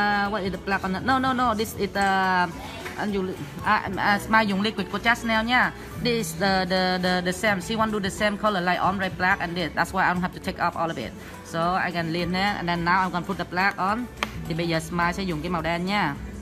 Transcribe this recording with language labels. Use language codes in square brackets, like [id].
[en] What is the black on it? No, this is smile [vi] dùng liquid của Chanel nha. [en] This is the same, she want to do the same color like ombre black and this, that's why I don't have to take off all of it, so I can leave that and then now I'm gonna put the black on. [vi] Thì bây giờ Smile sẽ dùng cái màu đen nha.